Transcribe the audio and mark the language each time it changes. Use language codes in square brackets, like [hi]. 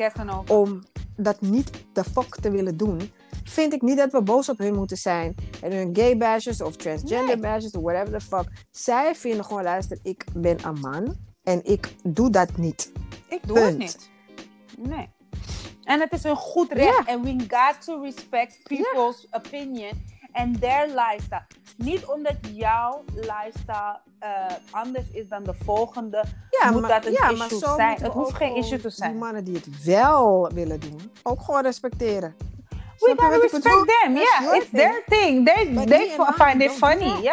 [nl] Casanova. Om dat niet de fuck te willen doen, vind ik niet dat we boos op hun moeten zijn. En hun gay bashers of transgender bashers of [en] whatever the fuck. [nl] Zij vinden gewoon, luister, ik ben een man en ik doe dat niet. Ik doe het niet. Nee. En het is een goed recht. [en] En we got to respect people's opinion and their lifestyle. [nl] Niet omdat jouw lifestyle anders is dan de volgende. Moet dat een issue zijn. Het hoeft geen issue te zijn. Die mannen die het wel willen doen, ook gewoon respecteren. [en] We gotta respect them. It's their thing. They find it funny.